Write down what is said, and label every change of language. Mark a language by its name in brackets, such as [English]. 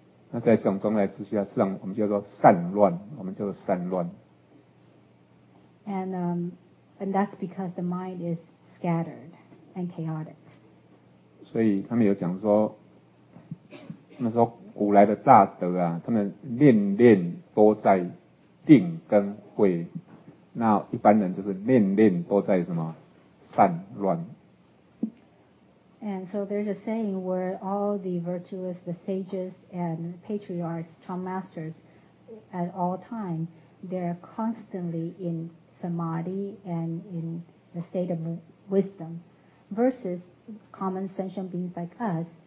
[Chinese] 那在这种状态之下，实际上我们叫做散乱，我们叫做散乱。 [English] And that's because the mind is scattered and chaotic. [Chinese] 所以他们有讲说，他们说古来的大德啊，他们念念都在定跟慧，那一般人就是念念都在什么散乱。 [English] And so there's a saying where all the virtuous, the sages and patriarchs, Chan masters, at all time, they're constantly in samadhi and in the state of wisdom, versus common sentient beings like us.